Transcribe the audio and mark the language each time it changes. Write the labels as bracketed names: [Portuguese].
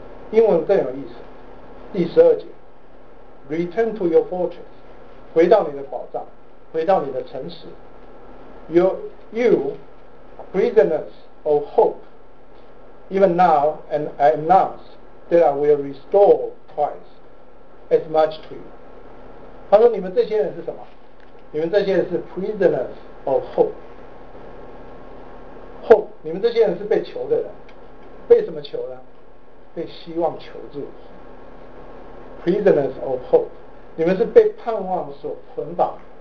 [Chinese] 英文更有意思，第十二节 ， Return to your fortress，回到你的宝藏，回到你的城池。 [English] You prisoners of hope, even now and I announce that I will restore twice as much to you。 [Chinese] 他说你们这些人是什么？你们这些人是 prisoners of hope。 hope， 你们这些人是被囚的人，被什么囚呢？被希望囚住。 prisoners of hope，你们是被盼望所捆绑。